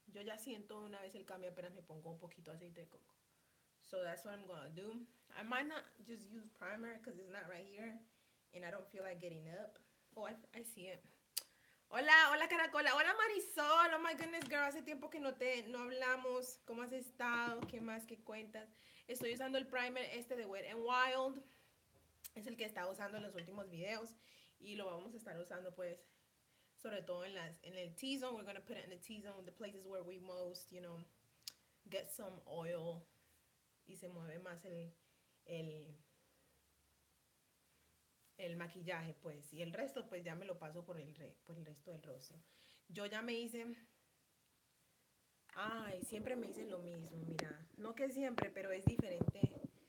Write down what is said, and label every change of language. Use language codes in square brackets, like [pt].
[es] Yo ya siento una vez el cambio apenas me pongo un poquito de aceite de coco. [en] So that's what I'm gonna do. I might not just use primer because it's not right here and I don't feel like getting up. Oh, I see it. [es] Hola, hola Caracola. Hola Marisol. [en] Oh my goodness, girl. [es] Hace tiempo que no hablamos. ¿Cómo has estado? ¿Qué más? ¿Qué cuentas? Estoy usando el primer este de Wet n Wild. Es el que he estado usando en los últimos videos. Y lo vamos a estar usando, pues, sobre todo en el T-zone. [en] We're going to put it in the T-zone, the places where we most, you know, get some oil. [es] Y se mueve más el maquillaje, pues, y el resto, pues, ya me lo paso por el resto del rostro. Yo ya me hice, ay, siempre me hice lo mismo, mira, no que siempre, pero es diferente.